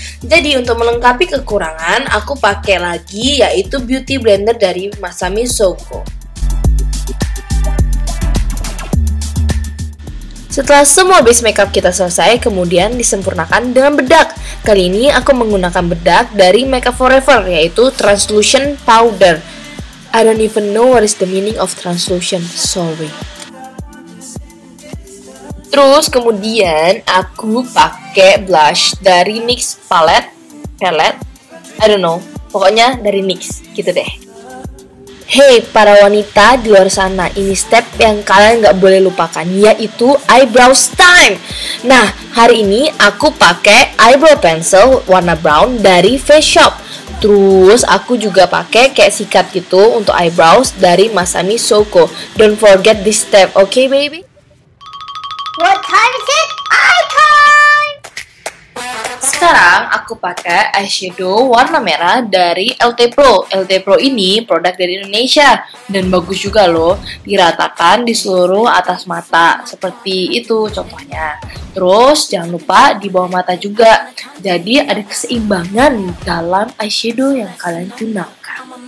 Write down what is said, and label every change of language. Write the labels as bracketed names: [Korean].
[Indonesian] Jadi untuk melengkapi kekurangan, aku pakai lagi yaitu beauty blender dari Masami Shouko. Setelah semua base makeup kita selesai, kemudian disempurnakan dengan bedak. Kali ini aku menggunakan bedak dari Makeup Forever, yaitu Translucent Powder. [English] I don't even know what is the meaning of translucent, sorry. [Indonesian] Terus kemudian aku pakai blush dari NYX Palette, [English] I don't know, [Indonesian] pokoknya dari NYX, gitu deh. Hey, para wanita di luar sana, ini step yang kalian gak boleh lupakan, yaitu eyebrows time. Nah, hari ini aku pakai eyebrow pencil warna brown dari Face Shop. Terus aku juga pakai kayak sikat gitu untuk eyebrows dari Masami Shouko. [English] Don't forget this step, okay baby? What time is it? Eye time! [Indonesian] Sekarang aku pakai eyeshadow warna merah dari LT Pro. LT Pro ini produk dari Indonesia dan bagus juga loh, diratakan di seluruh atas mata seperti itu contohnya. Terus jangan lupa di bawah mata juga. Jadi ada keseimbangan dalam eyeshadow yang kalian gunakan.